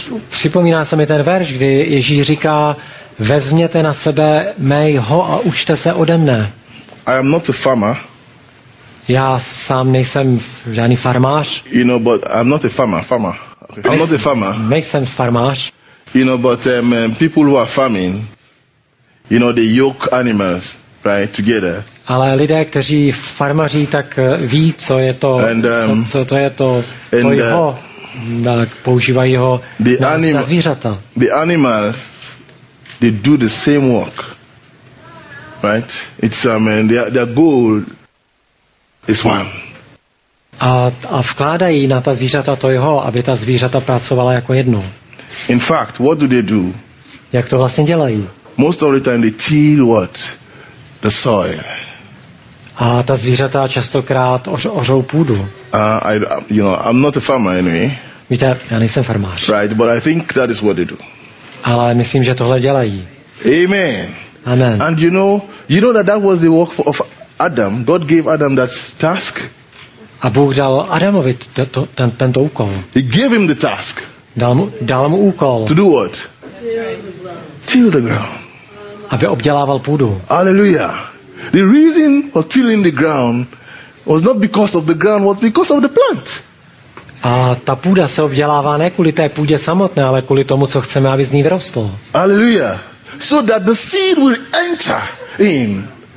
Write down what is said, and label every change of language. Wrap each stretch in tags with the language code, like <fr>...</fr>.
<cs>Připomíná se mi ten verš, kdy Ježíš říká, vezměte na sebe mého a učte se ode mne.</cs> <en>I am not a farmer.</en> <cs>Já sám nejsem žádný farmář.</cs> <en>You know, but I'm not a farmer. Okay. I'm not a farmer.</en> <cs>Nejsem farmář.</cs> <en>You know, but people who are farming, you know, they yoke animals, right, together.</en> <cs>Ale lidé, kteří farmaří, tak ví, co je to, and, co to je to, to jeho, tak používají ho na zvířata.</cs> <en>The animal, they do the same work, right? It's, their goal is one.</en> <cs>A vkládají na ta zvířata to jeho, aby ta zvířata pracovala jako jedno.</cs> <en>In fact, what do they do?</en> <cs>Jak to vlastně dělají?</cs> <en>Most of the time they till what? The soil.</en> <cs>A ta zvířata častokrát ořou půdu.</cs> <en>I'm not a farmer anyway.</en> <cs>Víte, já nejsem farmář.</cs> <en>Right, but I think that is what they do.</en> <cs>Ale myslím, že tohle dělají. Amen. Amen.</cs> <en>And you know that was the work of Adam. God gave Adam that task.</en> <cs>A Bůh dal Adamovi tento úkol.</cs> <en>He gave him the task.</en> <cs>Dal mu úkol.</cs> <en>To do what? Till the ground.</en> <cs>Aby obdělával půdu. Hallelujah.</cs> <en>The reason for tilling the ground was not because of the ground, was because of the plant.</en> <cs>A ta půda se obdělává ne kvůli té půdě samotné, ale kvůli tomu, co chceme, aby z ní vyrostlo. Hallelujah.</cs> <en>So that the seed will enter in.</en>